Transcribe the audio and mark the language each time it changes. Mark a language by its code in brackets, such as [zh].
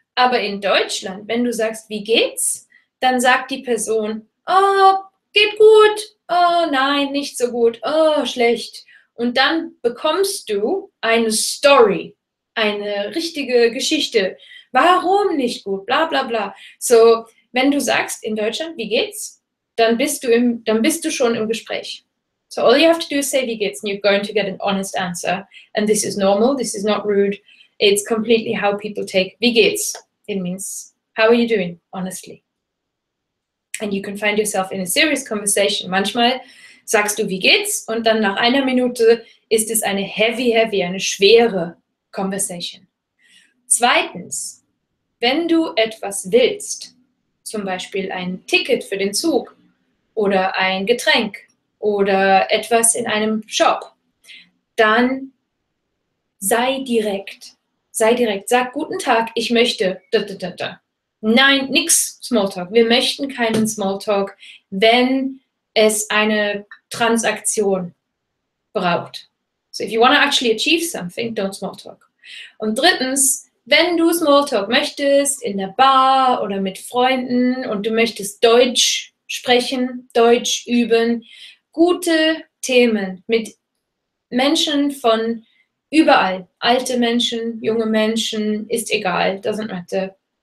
[de] Aber in Deutschland, wenn du sagst, wie geht's, dann sagt die Person, oh, geht gut, oh nein, nicht so gut, oh, schlecht. Und dann bekommst du eine Story, eine richtige Geschichte. Warum nicht gut, bla bla bla. So, wenn du sagst, in Deutschland, wie geht's, dann bist du schon im Gespräch. [en] So all you have to do is say, [de] wie geht's, [en] and you're going to get an honest answer. And this is normal, this is not rude. It's completely how people take, [de] wie geht's. [en] It means, how are you doing, honestly. And you can find yourself in a serious conversation. [de] Manchmal sagst du, wie geht's, und dann nach einer Minute ist es eine [en] heavy, heavy, [de] eine schwere conversation. Zweitens, wenn du etwas willst, zum Beispiel ein Ticket für den Zug oder ein Getränk oder etwas in einem Shop, dann sei direkt. Sei direkt. Sag, guten Tag, ich möchte. Nein, nix Smalltalk. Wir möchten keinen Smalltalk, wenn es eine Transaktion braucht. [en] So if you want to actually achieve something, don't Smalltalk. [de] Und drittens, wenn du Smalltalk möchtest in der Bar oder mit Freunden und du möchtest Deutsch sprechen, Deutsch üben, gute Themen mit Menschen von überall, alte Menschen, junge Menschen, ist egal, [en] doesn't matter.